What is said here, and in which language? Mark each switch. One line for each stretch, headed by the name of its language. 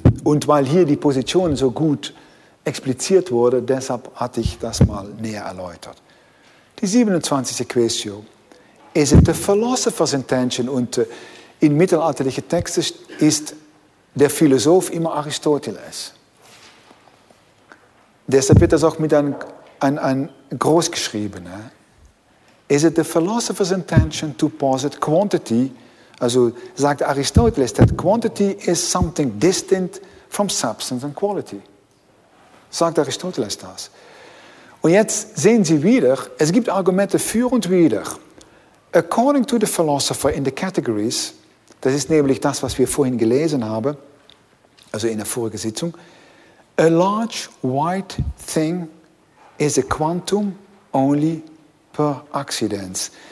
German: Und weil hier die Position so gut expliziert wurde, deshalb hatte ich das mal näher erläutert. Die 27. Question.
English: Is it the philosopher's intention?
German: Und in mittelalterlichen Texten ist der Philosoph immer Aristoteles. Deshalb wird das auch mit einem groß geschrieben.
English: Is it the philosopher's intention to posit quantity?
German: Also sagt
English: Aristoteles, that quantity is something distinct from substance and quality.
German: Sagt Aristoteles das. Und jetzt sehen Sie wieder, es gibt Argumente für und wider.
English: According to the philosopher in the categories,
German: das ist nämlich das, was wir vorhin gelesen haben, also in der vorigen Sitzung,
English: a large white thing is a quantum only
German: per accidens.